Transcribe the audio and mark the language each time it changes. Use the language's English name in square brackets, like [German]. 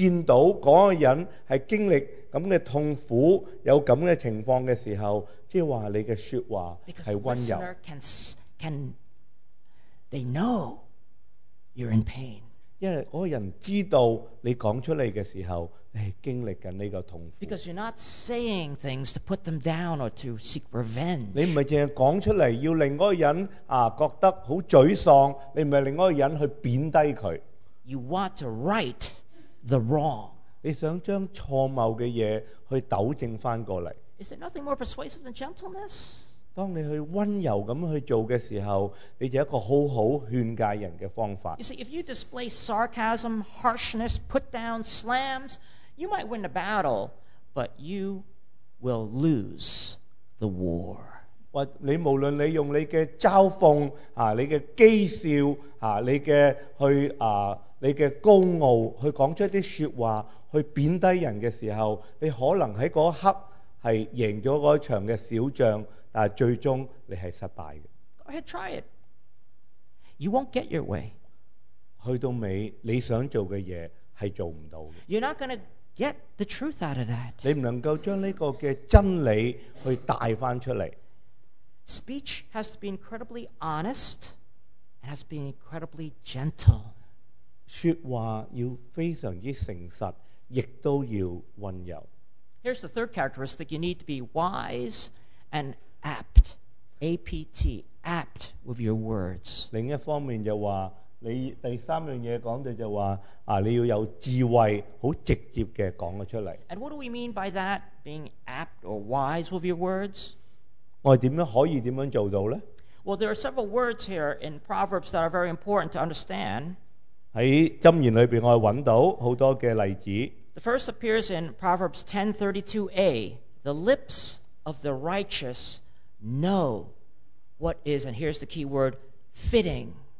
[Chinese] 如果当他听的人见到那个人是经历这样的痛苦, 有这样的情况的时候, 即是说你的说话是温柔。 [English] Because the listener they know you're in pain. [Chinese] 因为那个人知道你讲出来的时候, 你是经历着这个痛苦。 [English] Because you're not saying things to put them down or to seek revenge. [Chinese] 你不是只是讲出来要令那个人, 觉得很沮丧, 你不是令那个人去贬低他。 [English] You want to right the wrong. [Chinese] 你想将错谬的东西去纠正回来。 [English] Is there nothing more persuasive than gentleness? [Chinese] 当你去温柔地去做的时候, 你就是一个很好劝诫人的方法。 [English] You see, if you display sarcasm, harshness, put down, slams, you might win the battle, but you will lose the war. [Chinese] 无论你用你的嘲讽, 你的讥笑, 你的高傲, 去讲出一些说话, 去贬低人的时候, 你可能在那一刻是赢了那一场的小仗, 但最终你是失败的。 [English] Go ahead, try it. You won't get your way. [Chinese] 去到尾, 你想做的事是做不到的。 [English] You're not going to get the truth out of that. [Chinese] 你不能够将这个真理去带出来。 [English] Speech has to be incredibly honest and has to be incredibly gentle. [Chinese] 说话要非常之诚实, 亦都要温柔。 [English] Here's the third characteristic. You need to be wise and apt. A-P-T. Apt with your words. [Chinese] 另一方面就说, 你第三样东西讲的就说, 你要有智慧, 很直接地讲出来。 [English] And what do we mean by that? Being apt or wise with your words? [Chinese] 我们怎么可以怎么做到呢? [English] Well, there are several words here in Proverbs that are very important to understand. [Chinese] 在箴言里面我找到很多的例子。 [English] The first appears in Proverbs 10:32a. The lips of the righteous know what is, and here's the key word, fitting.